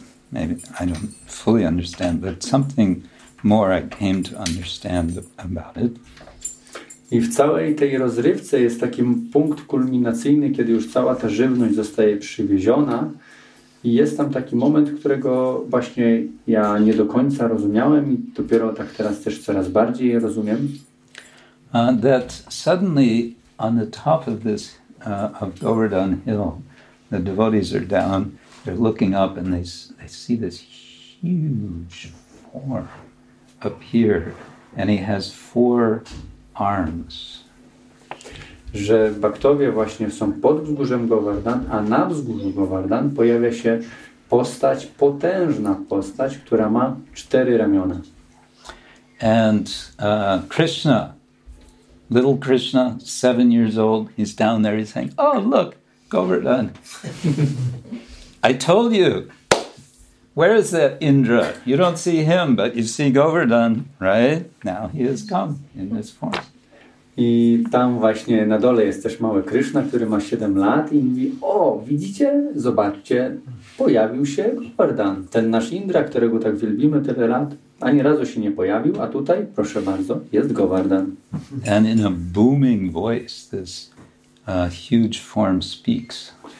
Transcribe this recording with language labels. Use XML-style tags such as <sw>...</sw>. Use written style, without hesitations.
<en>Maybe I don't fully understand, but something more I came to understand about it.</en> <pl>I w całej tej rozrywce jest taki punkt kulminacyjny, kiedy już cała ta żywność zostaje przywieziona. I jest tam taki moment, którego właśnie ja nie do końca rozumiałem i dopiero tak teraz też coraz bardziej rozumiem.</pl> <en>That suddenly on the top of this of Govardhan Hill, the devotees are down, they're looking up and they see this huge form appear and he has 4 arms.</en> <pl>Że baktowie właśnie są pod wzgórzem Govardhan, a na wzgórzu Govardhan pojawia się postać, potężna postać, która ma 4 ramiona.</pl> <en>And Krishna, little Krishna, 7 years old, he's down there, he's saying, oh, look, Govardhan. I told you, where is that Indra? You don't see him, but you see Govardhan, right? Now he has come in this form.</en> <pl>I tam właśnie na dole jest też mały Kryszna, który ma 7 lat i mówi: o, widzicie, zobaczcie, pojawił się Govardhan, ten nasz Indra, którego tak wielbimy tyle lat, ani razu się nie pojawił, a tutaj, proszę bardzo, jest Govardhan.</pl> <en>And in a booming voice this huge form speaks.</en>